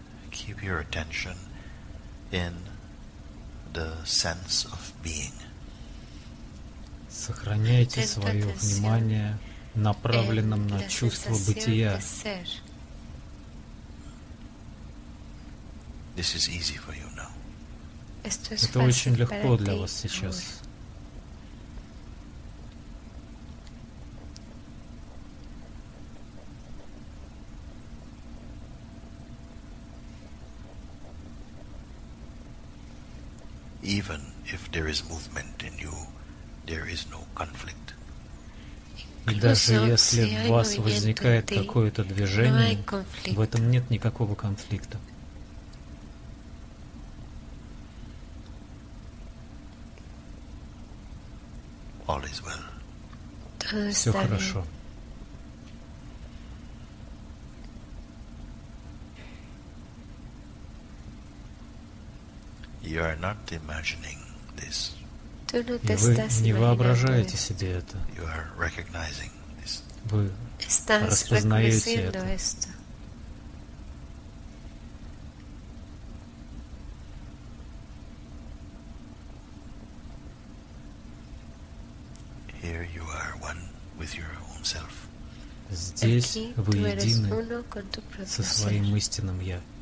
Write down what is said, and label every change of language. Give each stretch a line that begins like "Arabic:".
English: Keep your attention in the sense of being.
Russian: Сохраняйте свое внимание, направленном на чувство бытия.
English: This is easy for you now.
Russian: Это очень легко для вас сейчас.
English: Even if there is movement in you, there is no conflict.
Russian: И даже если в вас возникает какое-то движение, в этом нет никакого конфликта.
English: All is well.
Russian: Все хорошо.
English: You are not imagining this.
Russian: Вы не воображаете себе это.
English: You are recognizing this.
Russian: Вы распознаете это.
English: Here you are one with your own self.
Russian: Здесь вы едины со своим истинным я.